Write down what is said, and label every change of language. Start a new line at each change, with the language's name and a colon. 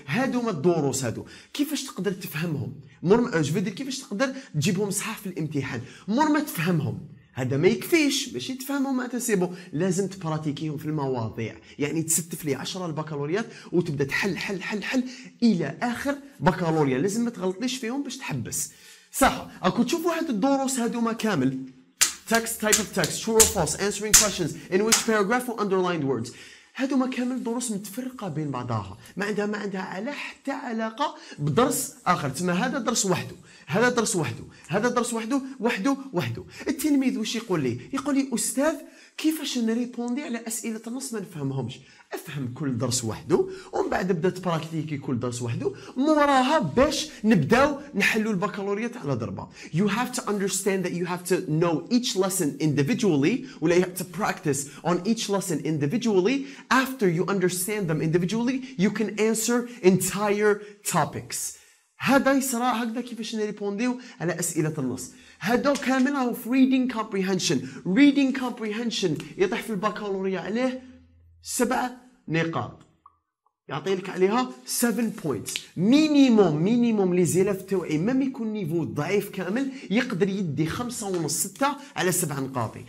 Arabic: هادو ما الدروس هادو. كيفاش تقدر تفهمهم؟ مور ما جبدل كيفاش تقدر تجيبهم صحاح في الامتحان؟ مور ما تفهمهم. هذا ما يكفيش باش تفهموا ما تسيبوا. لازم تبراتيكيهم في المواضيع. يعني تستف لي 10 البكالوريات وتبدا تحل حل حل حل الى اخر بكالوريا. لازم ما تغلطيش فيهم باش تحبس. صح اكو تشوفوا هاد الدروس هادوما كامل.
English: Text type of text, true or false, answering questions, in which paragraph, or underlined words.
Arabic: هادو ما كامل دروس متفرقة بين بعضها. ما عندها على حتى علاقة بدرس آخر. تسمى هذا درس وحده. هذا درس وحده. التلميذ وش يقول لي؟ يقول لي أستاذ كيفاش نريبوندي على أسئلة النص ما نفهمهمش؟ أفهم كل درس وحده ومن بعد بدأت براكتيكي كل درس وحده موراها باش نبداو نحلو البكالوريا على ضربة.
English: You have to understand that you have to know each lesson individually ولا you have to practice on each lesson individually. After you understand them individually you can answer entire topics.
Arabic: هذا يصرا هكذا كيفاش نريبونديو على أسئلة النص. هذا كامل هو في reading comprehension. reading comprehension يطيح في البكالوريا عليه 7 نقاط. يعطي لك عليها 7 points. مينيموم لي زيلاف توعي ما يكون نيفو ضعيف كامل يقدر يدي 5.5-6 على 7 نقاط.